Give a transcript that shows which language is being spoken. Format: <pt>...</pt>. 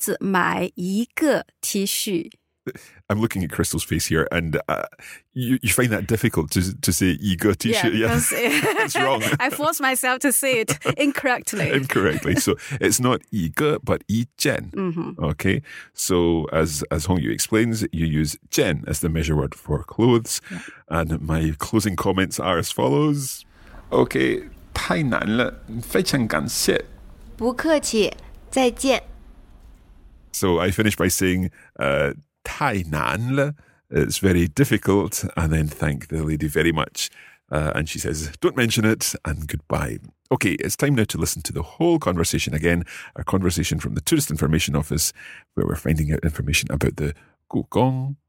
<zh>我想给我儿子买一个T恤.</zh> <en>I'm looking at Crystal's face here, and you find that difficult to say 一个 T-shirt. Yeah, it's wrong. I forced myself to say it incorrectly. Incorrectly. So it's not 一个, but 一件. Mm-hmm. Okay. So as Hong Yu explains, you use 件 as the measure word for clothes. Yeah. And my closing comments are as follows. Okay.</en> <zh>太难了,非常感谢。不客气,再见.</zh> <en>So I finish by saying...</en> <zh>太难了,</zh> <en>it's very difficult, and then thank the lady very much. And she says, don't mention it, and goodbye. Okay, it's time now to listen to the whole conversation again, our conversation from the Tourist Information Office, where we're finding out information about the Gugong.</en>